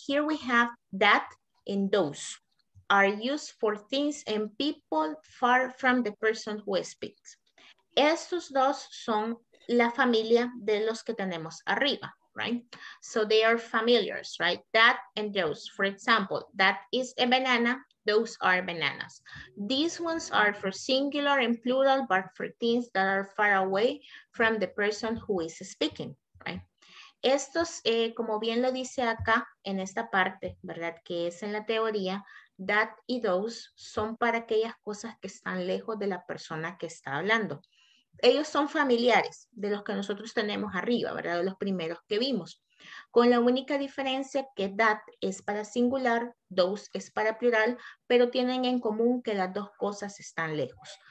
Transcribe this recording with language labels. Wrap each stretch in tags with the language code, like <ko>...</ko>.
<en>Here we have that and those are used for things and people far from the person who speaks.</en> <es>Estos dos son la familia de los que tenemos arriba, right?</es> <en>So they are familiars, right? That and those. For example, that is a banana, those are bananas. These ones are for singular and plural, but for things that are far away from the person who is speaking, right?</en> <es>Estos, como bien lo dice acá en esta parte, ¿verdad? Que es en la teoría, that y those son para aquellas cosas que están lejos de la persona que está hablando. Ellos son familiares de los que nosotros tenemos arriba, ¿verdad? De los primeros que vimos. Con la única diferencia que that es para singular, those es para plural, pero tienen en común que las dos cosas están lejos.</es>